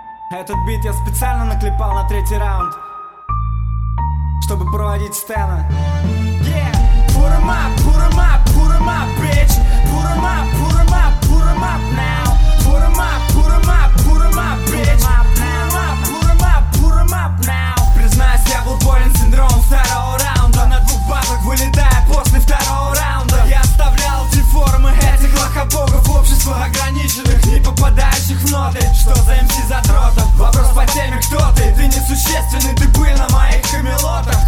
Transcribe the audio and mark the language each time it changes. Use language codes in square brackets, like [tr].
[ru] Этот бит я специально наклепал на третий раунд, чтобы проводить Стэна. [en] Put 'em up, put 'em up, put 'em up, bitch. Put 'em up, put 'em up, put 'em up now. Put 'em up, put 'em up, put 'em up, bitch. Put 'em up, put 'em up, put 'em up now. [ru] Признаюсь, я был болен синдромом второго раунда. На двух базах вылетая после второго раунда. Я оставлял деформы этих лохобогов в обществе ограниченных, не попадающих в ноты. Что за МС задротов? Вопрос по теме, кто ты? Ты несущественный, ты был на моих камелотах.